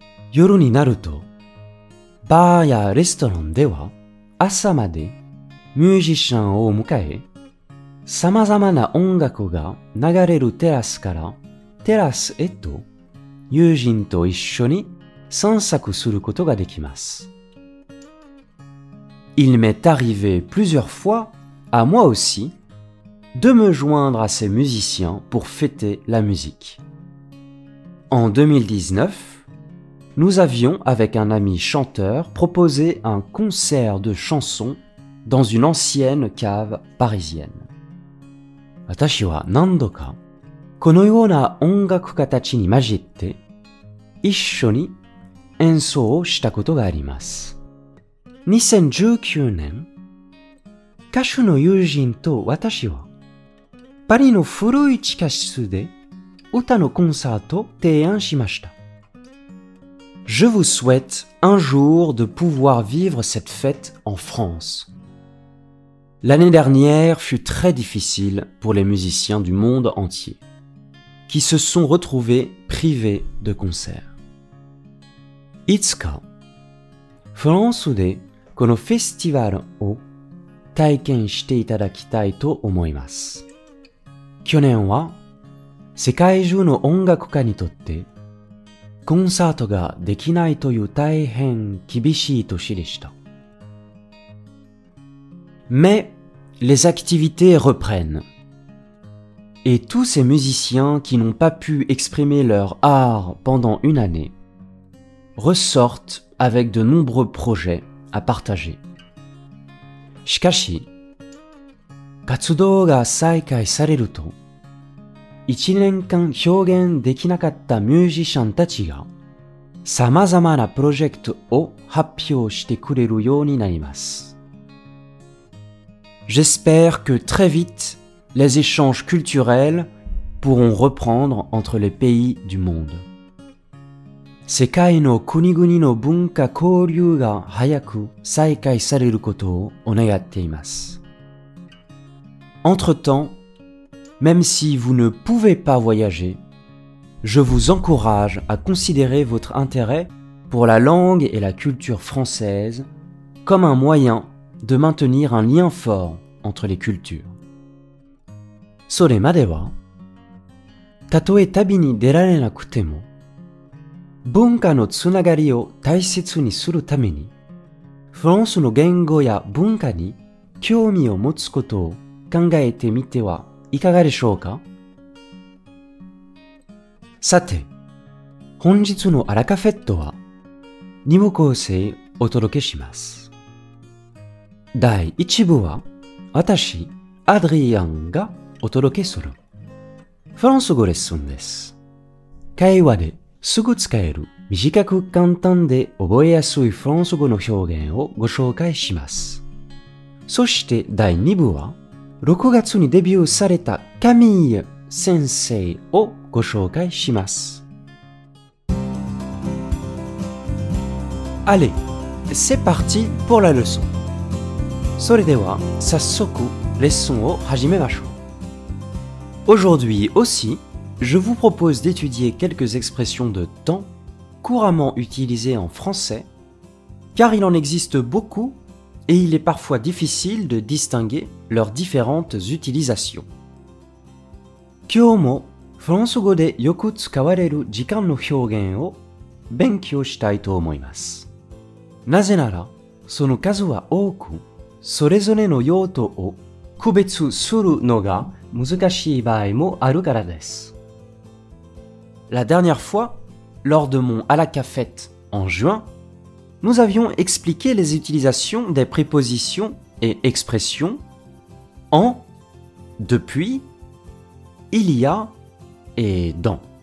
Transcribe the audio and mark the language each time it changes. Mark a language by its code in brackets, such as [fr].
[ja] 夜になると、バーやレストランでは朝までミュージシャンを迎え、様々な音楽が流れるテラスからテラスへと友人と一緒に散策することができます。 [fr] Il m'est arrivé plusieurs fois, à moi aussi, de me joindre à ces musiciens pour fêter la musique. En 2019, nous avions avec un ami chanteur proposé un concert de chansons dans une ancienne cave parisienne. [ja] 私は何度かこのような音楽家たちに混じって一緒に演奏をしたことがあります。 2019年、歌手の友人と私はパリの古い地下室で歌のコンサートを提案しました。 [fr] Je vous souhaite un jour de pouvoir vivre cette fête en France. L'année dernière fut très difficile pour les musiciens du monde entier, qui se sont retrouvés privés de concerts. [ja] いつか、フランスでこのフェスティバルを体験していただきたいと思います。去年は、世界中の音楽家にとって、コンサートができないという大変厳しい年でした。 [fr] Mais les activités reprennent. Et tous ces musiciens qui n'ont pas pu exprimer leur art pendant une année ressortent avec de nombreux projets à partager. [ja] しかし、活動が再開されると、一年間表現できなかったミュージシャンたちが、さまざまなプロジェクトを発表してくれるようになります。 [fr] J'espère que très vite, les échanges culturels pourront reprendre entre les pays du monde. [ja] 世界の国々の文化交流が早く再開されることをお願っています。 [fr] Entre-temps, même si vous ne pouvez pas voyager, je vous encourage à considérer votre intérêt pour la langue et la culture française comme un moyen de maintenir un lien fortentre les cultures. [ja] それまでは、たとえ旅に出られなくても、文化のつながりを大切にするために、フランスの言語や文化に興味を持つことを考えてみてはいかがでしょうか？さて、本日のアラカフェットは、二部構成をお届けします。第一部は、私、アドリアンがお届けする。フランス語レッスンです。会話ですぐ使える、短く簡単で覚えやすいフランス語の表現をご紹介します。そして第2部は、6月にデビューされたカミーユ先生をご紹介します。 [fr] Allez, c'est parti pour la leçon! [ja] それでは、早速、レッスンを始めましょう。 [fr] Aujourd'hui aussi, je vous propose d'étudier quelques expressions de temps couramment utilisées en français, car il en existe beaucoup et il est parfois difficile de distinguer leurs différentes utilisations. [ja] 今日も、フランス語でよく使われる時間の表現を勉強したいと思います。なぜなら、その数は多く、それぞれの用途を区別するのが難しい場合もあるからです。 [fr] La dernière fois, lors de mon à la cafette en juin, nous avions expliqué les utilisations des prépositions et expression en, depuis, il y a et dans.